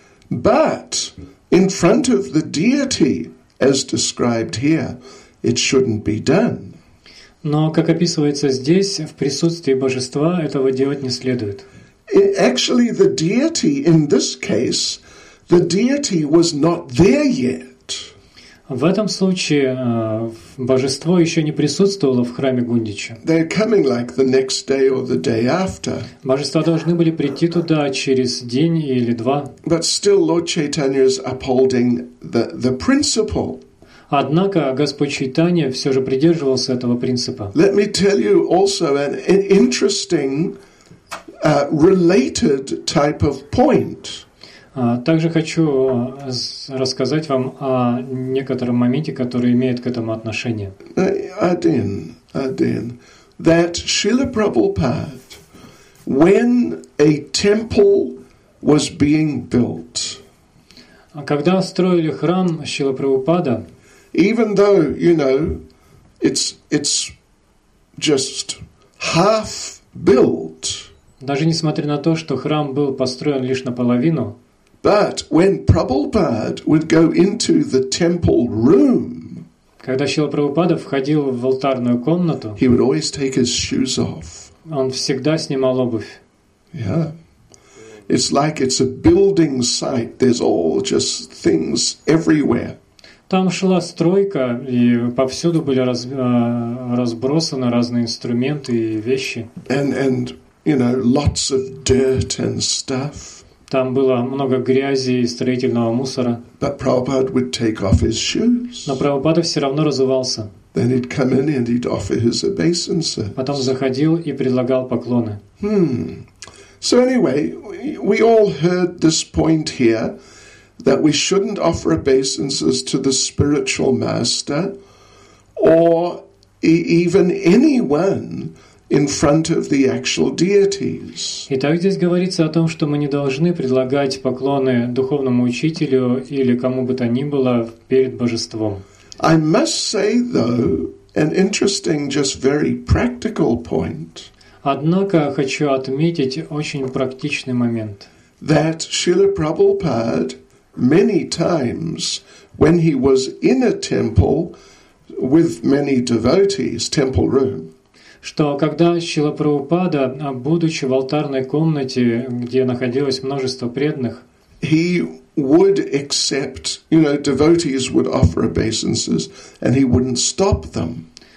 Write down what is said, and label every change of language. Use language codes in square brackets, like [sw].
[en] But in front of the deity, as described here, it shouldn't be done. [ru] Но, как описывается здесь, в присутствии божества этого делать не следует. [en] Actually, the deity in this case, the deity was not there yet. [ru] В этом случае божество еще не присутствовало в храме Гундича. [en] They're coming like the next day or the day after. [ru] Божества должны были прийти туда через день или два. [en] But still Lord Chaitanya is upholding the principle. [ru] Однако Господь Чайтанья все же придерживался этого принципа. [en] Let me tell you also an interesting related type of point. [ru] Также хочу рассказать вам о некотором моменте, который имеет к этому отношение. Один. [en] That Srila Prabhupada, when a temple was being built, [ru] когда строили храм Шрила Прабхупада, [en] even though, you know, it's just half built, [ru] даже несмотря на то, что храм был построен лишь наполовину, [en] but when Prabhupada would go into the temple room, [ru] когда Шрила Прабхупада входил в алтарную комнату, [en] he would always take his shoes off. [ru] Он всегда снимал обувь. [en] Yeah. It's like it's a building site. There's all just things everywhere. [ru] Там шла стройка, и повсюду были разбросаны разные инструменты и вещи. [en] And you know, lots of dirt and stuff. [ru] Там было много грязи и строительного мусора. [en] But Prabhupada would take off his shoes. [ru] Но Прабхупада все равно разувался. [en] Then he'd come in and he'd offer his obeisances. [ru] Потом заходил и предлагал поклоны. [en] So anyway, we all heard this point here, that we shouldn't offer obeisances to the spiritual master or even anyone in front of the actual deities. [ru] Итак, здесь говорится о том, что мы не должны предлагать поклоны духовному учителю или кому бы то ни было перед божеством. [en] I must say, though, an interesting, just very practical point. [ru] Однако хочу отметить очень практичный момент. [en] That Srila Prabhupada many times when he was in a temple with many devotees, temple room. [ru] Что когда Шрила Прабхупада, будучи в алтарной комнате, где находилось множество преданных, [en] he would accept, you know, devotees would offer obeisances, and he wouldn't stop them.